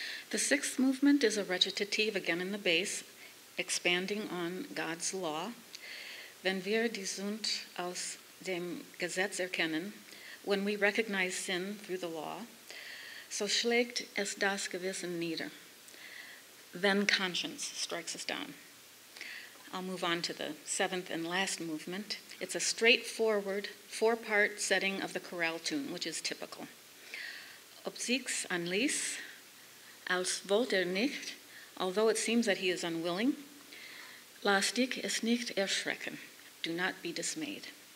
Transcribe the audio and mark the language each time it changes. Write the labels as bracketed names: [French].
[English] The sixth movement is a recitative, again in the bass, expanding on God's law. [German] Wenn wir die Sünd aus dem Gesetz erkennen, [English] when we recognize sin through the law, [German] so schlägt es das Gewissen nieder. [English] Then conscience strikes us down. I'll move on to the seventh and last movement. It's a straightforward, four-part setting of the chorale tune, which is typical. [German] Ob sich's an Lies, als wollte nicht, [English] although it seems that he is unwilling, [German] lass dich es nicht erschrecken, [English] do not be dismayed.